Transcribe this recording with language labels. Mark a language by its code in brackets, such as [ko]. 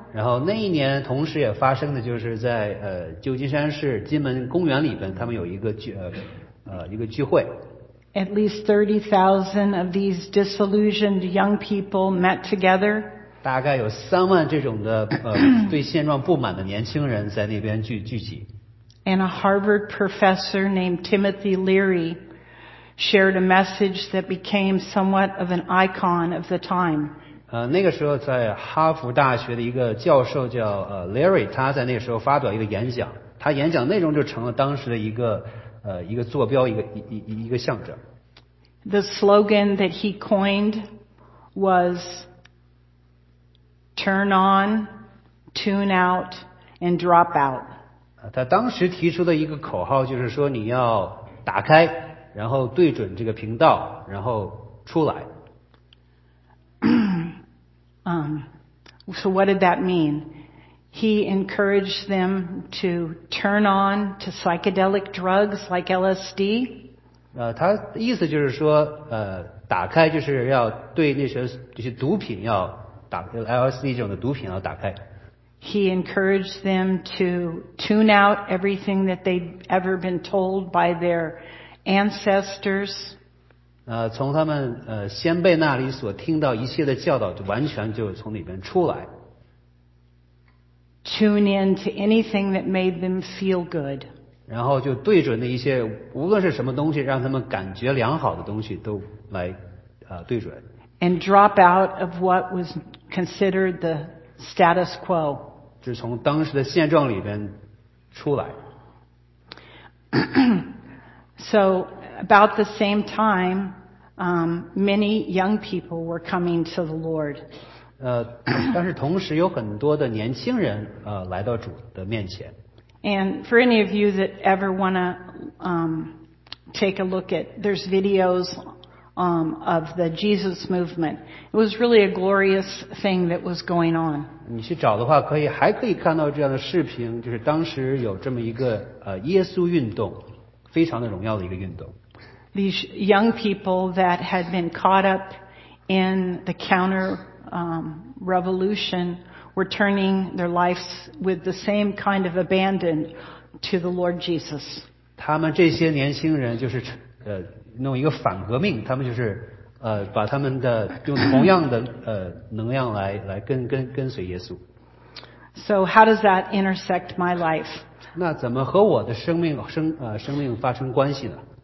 [zh] 然后那一年同时也发生的就是在旧金山市金门公园里边，他们有一个聚会。 [en] At least 30,000 of these disillusioned young people met together. [zh] 大概有三万这种的对现状不满的年轻人在那边聚集。 [en] And a Harvard professor named Timothy Leary shared a message that became somewhat of an icon of the time. [zh] 那个时候在哈佛大学的一个教授叫Leary， 他在那个时候发表一个演讲，他演讲内容就成了当时的一个坐标，一个象征。 [en] The slogan that he coined was "Turn on, tune out, and drop out." [zh] 他当时提出的一个口号就是说你要打开，然后对准这个频道，然后出来。 [en] So what did that mean? He encouraged them to turn on to psychedelic drugs like LSD. [zh] 他意思就是说，打开就是要对那些这些毒品要打 LSD 这种的毒品要打开。 [en] He encouraged them to tune out everything that they'd ever been told by their ancestors. [zh] 从他们先辈那里所听到一切的教导，就完全就从里边出来。 [en] Tune in to anything that made them feel good. [zh] 然后就对准那一些无论是什么东西让他们感觉良好的东西都来对准。 [en] And drop out of what was considered the status quo. [zh] 就是从当时的现状里边出来。 [en] So about the same time, many young people were coming to the Lord. [zh] 但是同时有很多的年轻人来到主的面前。 [en] And for any of you that ever want to take a look at, there's videos of the Jesus movement. It was really a glorious thing that was going on. [zh] 你去找的话还可以看到这样的视频，就是当时有这么一个耶稣运动。非常的荣耀的一个运动。 [en] These young people that had been caught up in the counter revolution were turning their lives with the same kind of abandon to the Lord Jesus. [zh] 他们这些年轻人就是弄一个反革命，他们就是把他们的用同样的能量来跟随耶稣。 [en] So how does that intersect my life? [zh] 那怎么和我的生命发生关系呢？